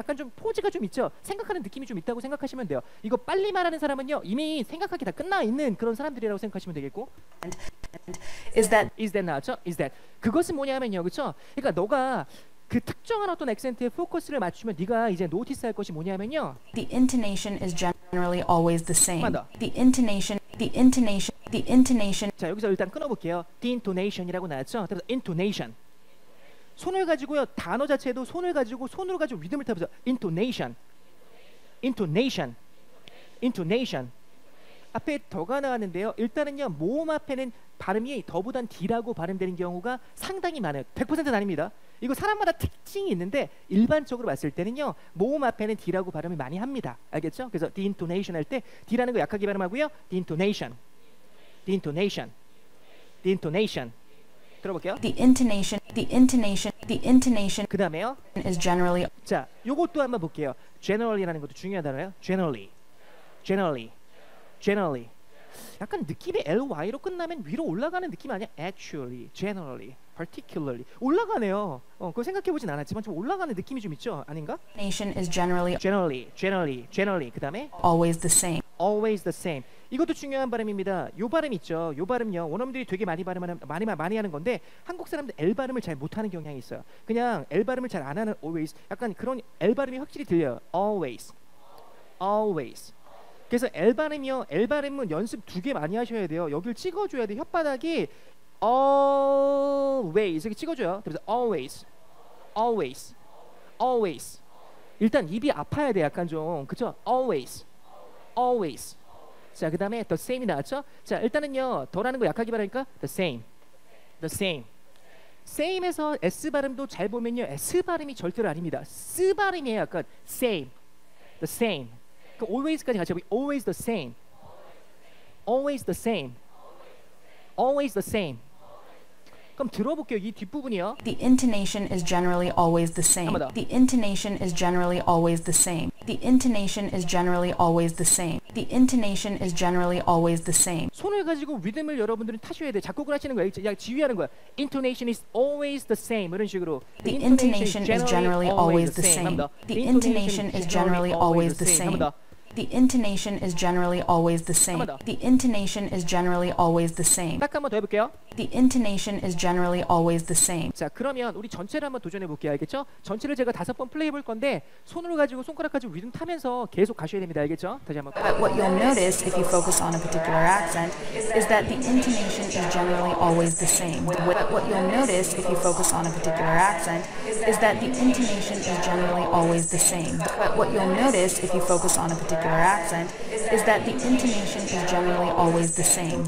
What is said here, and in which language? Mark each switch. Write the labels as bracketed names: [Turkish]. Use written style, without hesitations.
[Korean] 약간 좀 포즈가 좀 있죠. 생각하는 느낌이 좀 있다고 생각하시면 돼요. 이거 빨리 말하는 사람은요. 이미 생각하기 다 끝나 있는 그런 사람들이라고 생각하시면 되겠고. [English] is that is that [Korean] 나왔죠? [English] is that [Korean] 그것은 뭐냐면요. 그렇죠? 그러니까 너가 그 특정한 어떤 액센트에 포커스를 맞추면 네가 이제 노티스 할 것이 뭐냐면요. [English] The intonation is generally always the same. The intonation, the intonation, the intonation. [Korean] 자, 여기서 일단 끊어볼게요. [English] The intonation [Korean] 이라고 나왔죠. 그래서 intonation. 손을 가지고요. 단어 자체도 손을 가지고 손으로 가지고 리듬을 타보죠. [English] Intonation. Intonation. Intonation. [Korean] 앞에 더가 나왔는데요. 일단은요. 모음 앞에는 발음이 더보단 D라고 발음되는 경우가 상당히 많아요. 100%는 아닙니다. 이거 사람마다 특징이 있는데 일반적으로 봤을 때는요. 모음 앞에는 D라고 발음을 많이 합니다. 알겠죠? 그래서 [English] The intonation [Korean] 할 때 D라는 거 약하게 발음하고요. [English] The intonation. The intonation. The intonation. [Korean] 들어볼게요. [English] The intonation. The intonation. The intonation. [Korean] 그 다음에요. [English] Is generally. [Korean] 자, 요것도 한번 볼게요. Generally라는 것도 중요한 단어예요. [English] Generally. Generally. Generally. [Korean] 약간 느낌이 ly로 끝나면 위로 올라가는 느낌 아니야? [English] actually, generally, particularly [Korean] 올라가네요. 그거 생각해보진 않았지만 좀 올라가는 느낌이 좀 있죠? 아닌가? [English] nation is generally generally, generally, generally [Korean] 그 다음에 [English] always the same always the same [Korean] 이것도 중요한 발음입니다. 요 발음 있죠? 요 발음요. 원어민들이 되게 많이 발음하는 많이 하는 건데 한국 사람들 L 발음을 잘 못하는 경향이 있어요. 그냥 L 발음을 잘 안 하는 always 약간 그런 L 발음이 확실히 들려요. always always 그래서 L 발음이요. L 발음은 연습 두 개 많이 하셔야 돼요. 여기를 찍어줘야 돼요. 혓바닥이 always 이렇게 찍어줘요. 그래서 always, always, always. 일단 입이 아파야 돼. 약간 좀 그죠? Always, always. 자 그다음에 the same이 나왔죠? 자 일단은요. 더라는 거 약하게 발음하니까 [English] the same, the same. [Korean] same에서 S 발음도 잘 보면요. S 발음이 절대로 아닙니다. S 발음이에요. [English] 약간 same, the same. 그 always [Korean] 까지 같이 해보 [English] always the same, always the same, always the same. [Korean] 그럼 들어볼게요. 이 뒷부분이요. [English] The intonation is generally always the same. The intonation is generally always the same. The intonation is generally always the same. The intonation is generally always the same. [Korean] 손을 가지고 리듬을 여러분들은 타셔야 돼. 작곡을 하시는 거예요. 그냥 지휘하는 거야. [English] Intonation is always the same. [Korean] 이런 식으로. [English] The intonation is generally always the same. The intonation is generally always the same. The intonation is generally always the same. The intonation is generally always the same. [Korean] 딱 한번 더 해볼게요. [English] The intonation is generally always the same. [Korean] 자, 그러면 우리 전체를 한번 도전해 볼게요. 알겠죠? 전체를 제가 다섯 번 플레이 볼 건데 손으로 가지고 손가락 가지고 리듬 타면서 계속 가셔야 됩니다. 알겠죠? 다시 한번. [English] But what you'll notice if you focus on a particular accent is that the intonation is generally always the same. But what you'll notice if you focus on a particular accent is that the intonation is generally always the same. But what you'll notice if you focus on a particular accent is that the intonation is generally always the same.